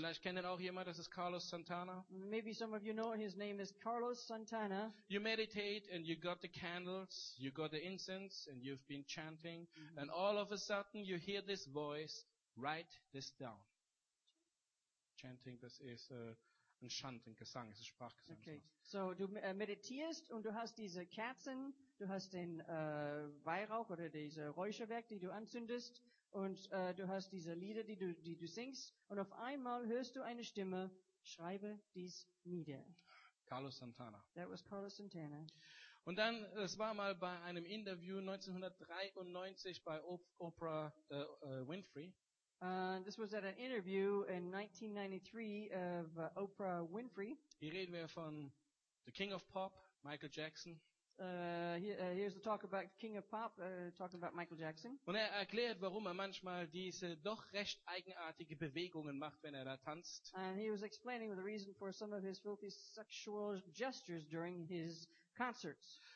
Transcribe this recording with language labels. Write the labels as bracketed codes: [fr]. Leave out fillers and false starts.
[de] Vielleicht kennt ihn auch jemand, das ist Carlos Santana. [en] Maybe some of you know his name is Carlos Santana. You meditate and you got the candles, you got the incense and you've been chanting and all of a sudden you hear this voice, write this down. [de] Chanting, das ist ein Chant, ein Gesang, es ist Sprachgesang. Okay, so du meditierst und du hast diese Kerzen, du hast den Weihrauch oder diese Räucherwerk, die du anzündest. Und du hast diese Lieder, die du singst, und auf einmal hörst du eine Stimme, schreibe dies nieder. Carlos Santana. [en] That was Carlos Santana. [de] Und dann, es war mal bei einem Interview 1993 bei Oprah Winfrey. [en] This was at an interview in 1993 of Oprah Winfrey. [de] Hier reden wir von The King of Pop, Michael Jackson. [en] Here's the talk about King of Pop, talking about Michael Jackson. [de] Und er erklärt, warum er manchmal diese doch recht eigenartige Bewegungen macht, wenn er da tanzt. [en] And he was explaining the reason for some of his filthy sexual gestures during his concerts.